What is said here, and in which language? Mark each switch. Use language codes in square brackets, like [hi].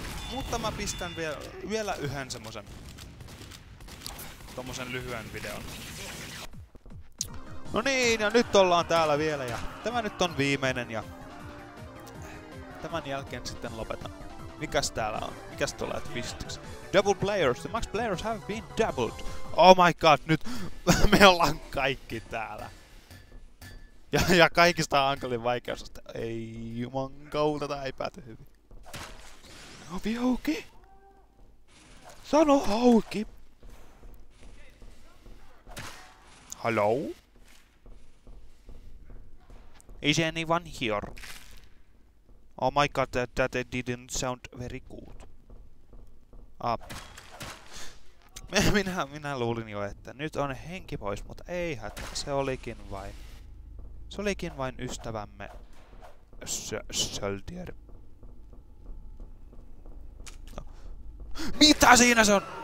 [fi] Mutta mä pistän vielä yhden semmosen tommosen lyhyen videon. No niin, ja nyt ollaan täällä vielä ja tämä nyt on viimeinen ja tämän jälkeen sitten lopetan. Mikäs täällä on? Mikäs tulee twistiksi? [en] Double players, the max players have been doubled. Oh my god, [fi] nyt me ollaan kaikki täällä. Ja kaikista hankalin vaikeusasta. Ei juman kautta, tää ei pääty hyvin. Ovi auki. Sano auki. [en] Hello? Is anyone here? Oh my god, that didn't sound very good. [fi] Minä luulin jo, että nyt on henki pois, mutta ei hätä, se olikin vain ystävämme Söldier. No. Mitä siinä se on?